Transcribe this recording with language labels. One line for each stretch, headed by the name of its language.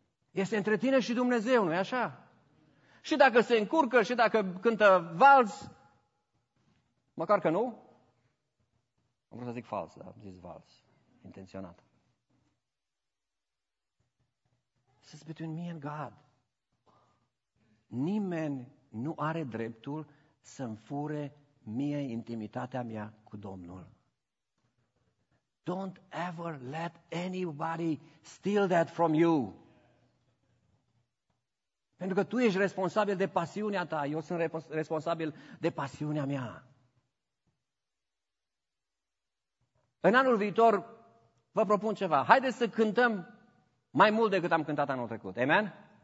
Romanian: Este între tine și Dumnezeu, nu-i așa? Și dacă se încurcă, și dacă cântă vals, măcar că nu, am vrut să zic fals, dar am zis vals, intenționat.
English: It's between me and God.
Romanian: Nimeni nu are dreptul să-mi fure mie intimitatea mea cu Domnul.
English: Don't ever let anybody steal that from you.
Romanian: Pentru că tu ești responsabil de pasiunea ta, eu sunt responsabil de pasiunea mea. În anul viitor vă propun ceva. Haideți să cântăm mai mult decât am cântat anul trecut. Amen?